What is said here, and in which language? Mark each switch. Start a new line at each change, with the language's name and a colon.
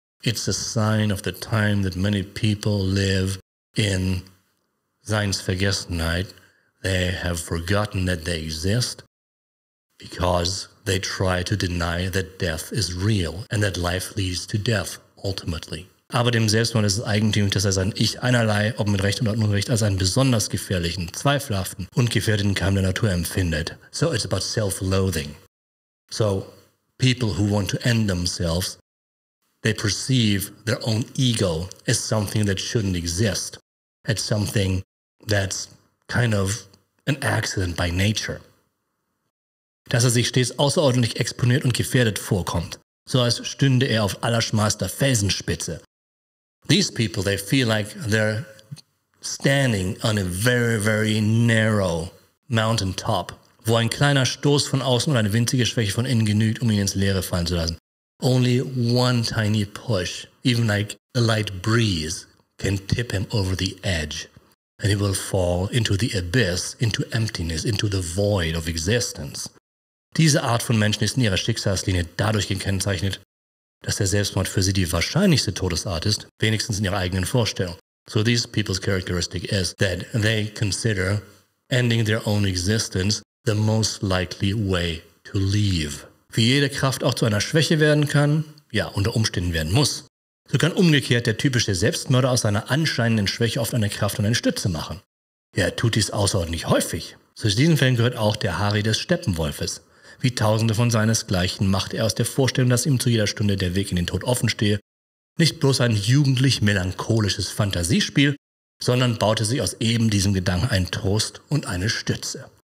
English: It's a sign of the time that many people live in Seins Vergessenheit. They have forgotten that they exist because they try to deny that death is real and that life leads to death, ultimately.
German: Aber dem Selbstmord ist es eigentümlich, dass er sein Ich einerlei, ob mit Recht oder Unrecht, als einen besonders gefährlichen, zweifelhaften und gefährdeten Keim der Natur empfindet.
English: So it's about self-loathing. So people who want to end themselves, they perceive their own ego as something that shouldn't exist, as something that's kind of an accident by nature.
German: Dass er sich stets außerordentlich exponiert und gefährdet vorkommt, so als stünde er auf allerschmalster Felsenspitze.
English: These people, they feel like they're standing on a very, very narrow mountain top,
German: wo ein kleiner Stoß von außen oder eine winzige Schwäche von innen genügt, um ihn ins Leere fallen zu lassen.
English: Only one tiny push, even like a light breeze, can tip him over the edge, and he will fall into the abyss, into emptiness, into the void of existence.
German: Diese Art von Menschen ist in ihrer Schicksalslinie dadurch gekennzeichnet, dass der Selbstmord für sie die wahrscheinlichste Todesart ist, wenigstens in ihrer eigenen Vorstellung.
English: So these people's characteristic is that they consider ending their own existence the most likely way to leave.
German: Wie jede Kraft auch zu einer Schwäche werden kann, ja, unter Umständen werden muss, so kann umgekehrt der typische Selbstmörder aus seiner anscheinenden Schwäche oft eine Kraft und eine Stütze machen. Ja, er tut dies außerordentlich häufig. Zu diesen Fällen gehört auch der Hari des Steppenwolfes. Wie tausende von seinesgleichen macht er aus der Vorstellung, dass ihm zu jeder Stunde der Weg in den Tod offen stehe, nicht bloß ein jugendlich melancholisches Fantasiespiel, sondern baute sich aus eben diesem Gedanken einen Trost und eine Stütze.